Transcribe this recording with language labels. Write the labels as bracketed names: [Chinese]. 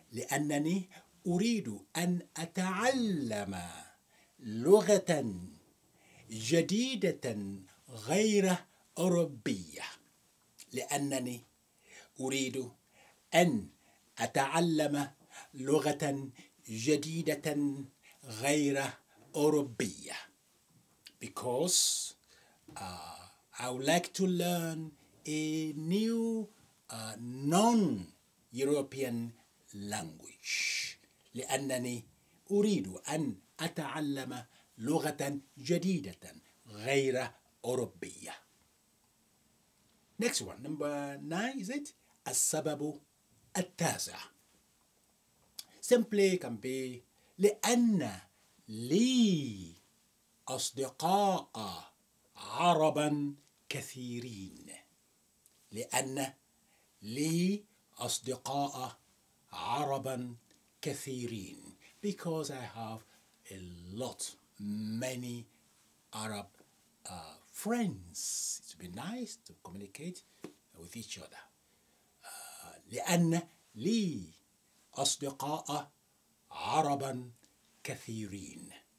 [Arabic] لأنني أريد أن أتعلم لغة جديدة غير أوروبية. لأنني أريد أن أتعلم لغة جديدة غير أوروبية. [English] Because I would like to learn a new non-European language. [Arabic] لأنني أريد أن أتعلم لغة جديدة غير أوروبية. [English] Next one, number 9, is it? [Arabic] السبب التاسع. [English] Simply can be [Arabic] لأن لي أصدقاء عربا كثيرين. لأن لي أصدقاء عربا كثيرين. [English] Because I have a lot, many Arab friends. It would be nice to communicate with each other. [Arabic] لأن لي أصدقاء عربا كثيرين.